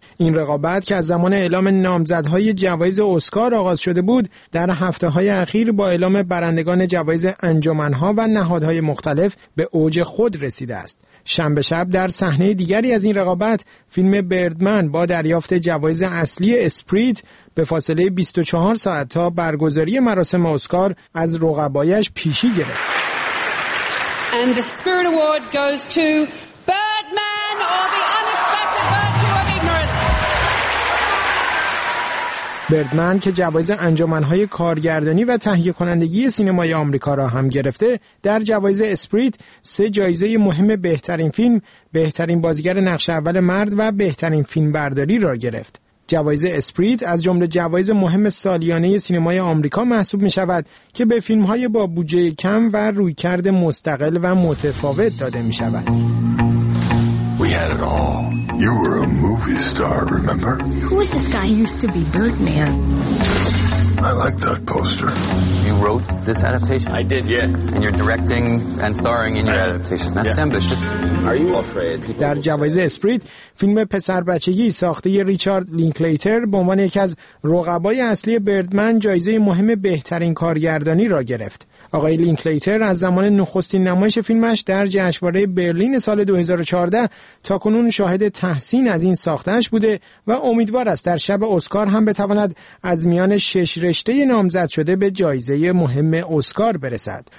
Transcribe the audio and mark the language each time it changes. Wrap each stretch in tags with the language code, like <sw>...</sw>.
<fa>این رقابت که از زمان اعلام نامزدهای جوایز اسکار آغاز شده بود، در هفته‌های اخیر با اعلام برندگان جوایز انجمن‌ها و نهادهای مختلف به اوج خود رسیده است. شنبه شب در صحنه دیگری از این رقابت، فیلم بردمن با دریافت جوایز اصلی اسپریت به فاصله 24 ساعت تا برگزاری مراسم اسکار از رقبایش پیشی گرفت.</fa> <en>And the Spirit Award goes to Birdman or the Unexpected Virtue of Ignorance.</en> <fa>بردمن که جوایز انجمن‌های کارگردانی و تهیه کنندگی سینمای آمریکا را هم گرفته، در جوایز اسپریت سه جایزه مهم بهترین فیلم، بهترین بازیگر نقش اول مرد و بهترین فیلمبرداری را گرفت. جوایز اسپریت از جمله جوایز مهم سالیانه سینمای آمریکا محسوب می شود که به فیلم های با بودجه کم و رویکرد مستقل و متفاوت داده می شود.</fa> <en>We had it all. You were a movie star, remember? Who was this guy who used to be Birdman? I like that poster. You wrote this adaptation? I did, yeah. And you're directing and starring in your adaptation. That's ambitious. Are you afraid?</en> <fa>در جوایز اسپریت، فیلم پسر بچگی ساخته ریچارد لینکلیتر به عنوان یکی از رقبای اصلی بردمن جایزه مهم بهترین کارگردانی را گرفت. آقای لینکلیتر از زمان نخستین نمایش فیلمش در جشنواره برلین سال 2014 تا کنون شاهد تحسین از این ساختنش بوده و امیدوار است در شب اسکار هم بتواند از میان شش رشته نامزد شده به جایزه مهم اسکار برسد.</fa>